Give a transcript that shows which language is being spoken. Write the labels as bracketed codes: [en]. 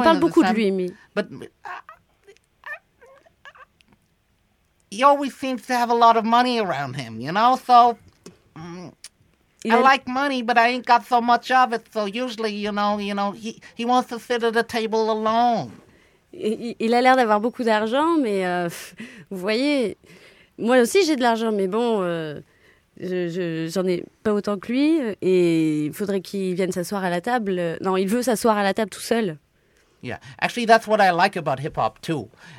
[fr] On parle beaucoup de lui, mais. [en] But he always seems to have a lot of money around him, you know? So, I like money, but I ain't got so much of it. So usually, you know, he wants to sit at a table alone. [fr] Il a l'air d'avoir beaucoup d'argent, mais vous voyez, moi aussi j'ai de l'argent, mais bon, j'en ai pas autant que lui. Et il faudrait qu'il vienne s'asseoir à la table. Non, il veut s'asseoir à la table tout seul. [en] Yeah, actually that's what I like about hip-hop too.